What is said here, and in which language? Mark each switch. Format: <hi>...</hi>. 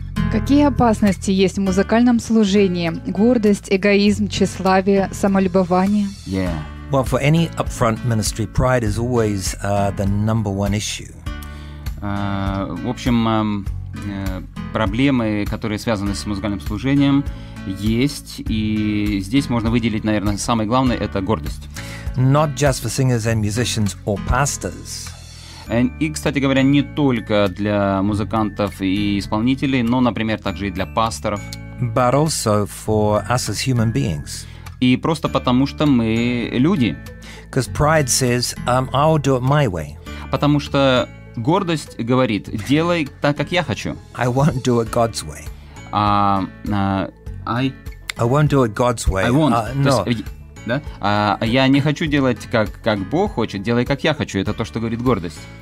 <ru>Какие опасности есть в музыкальном служении? Гордость, эгоизм, тщеславие, самолюбование? Yeah.</ru> <en>Well, for any upfront ministry, pride is always the number one issue.</en> <ru>В общем, проблемы, которые связаны с музыкальным служением, есть. И здесь можно выделить, наверное, самое главное – это гордость.</ru> <en>Not just for singers and musicians or pastors.</en> <ru>И, кстати говоря, не только для музыкантов и исполнителей, но, например, также и для пасторов.</ru> <en>But also for us as human beings.</en> <ru>И просто потому, что мы люди.</ru> <en>Because pride says, I'll do it my way.</en> <ru>Потому что гордость говорит, делай так, как я хочу.</ru> <en>I won't do it God's way. I won't do it God's way. I won't. No. Да?</en> <ru>Я не хочу делать, как Бог хочет, делай, как я хочу. Это то, что говорит гордость.</ru>